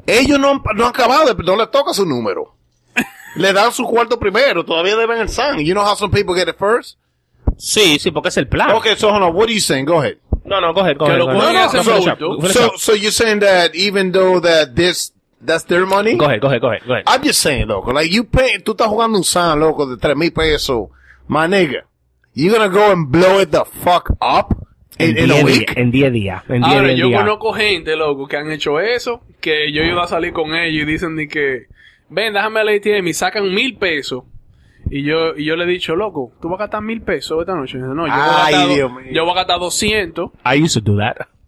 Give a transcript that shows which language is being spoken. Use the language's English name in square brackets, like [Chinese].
[Spanish] Ellos no han acabado, no le toca su número. Le dan su cuarto primero, todavía deben el sun. [English] You know how some people get it first? [Spanish] Sí, porque es el plan. [English] Okay, so hold on, what are you saying? Go ahead. No, go ahead. So you're saying that even though that's their money? Go ahead. I'm just saying, loco. Like, you pay... [Spanish] Tú estás jugando un sound, loco, de 3,000 pesos. [English] My nigga. You gonna go and blow it the fuck up in a week? [Spanish] En día. Ahora, yo conozco gente, loco, que han hecho eso. Que yo iba a salir con ellos y dicen ni que... Ven, déjame al ATM y sacan 1,000 pesos. Y yo le he dicho, loco, ¿tú vas a gastar 1,000 pesos esta noche? Y yo, no, yo voy a gastar 200. [English] I used to do that.